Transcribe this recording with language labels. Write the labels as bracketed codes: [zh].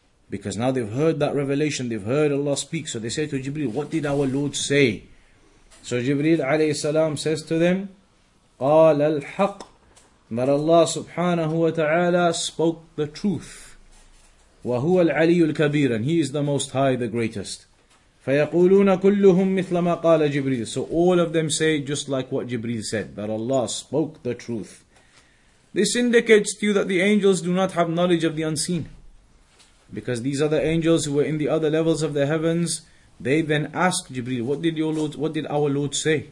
[en] Because now they've heard that revelation, they've heard Allah speak. So they say to Jibreel, what did our Lord say? So Jibreel alayhi salam says to them, [ar] قال الحق, [en] that Allah subhanahu wa ta'ala spoke the truth. [ar] وهو العلي الكبير, [en] and he is the most high, the greatest. [ar] فيقولون كلهم مثل ما قال جبريل. [en] So all of them say just like what Jibreel said, that Allah spoke the truth. This indicates to you that the angels do not have knowledge of the unseen. Because these other angels who were in the other levels of the heavens, they then ask Jibreel, what did our Lord say?